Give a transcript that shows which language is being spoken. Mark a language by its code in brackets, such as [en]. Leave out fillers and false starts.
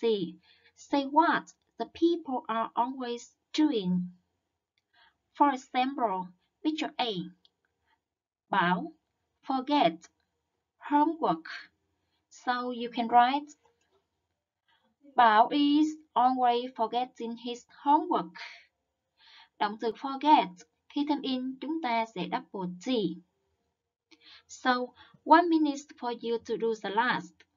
[en] Say what the people are always doing. For example, picture A. Bảo, forget, homework. So you can write, Bảo is always forgetting his homework. [vi] Động từ forget, khi thêm in, chúng ta sẽ double T. [en] So, 1 minute for you to do the last.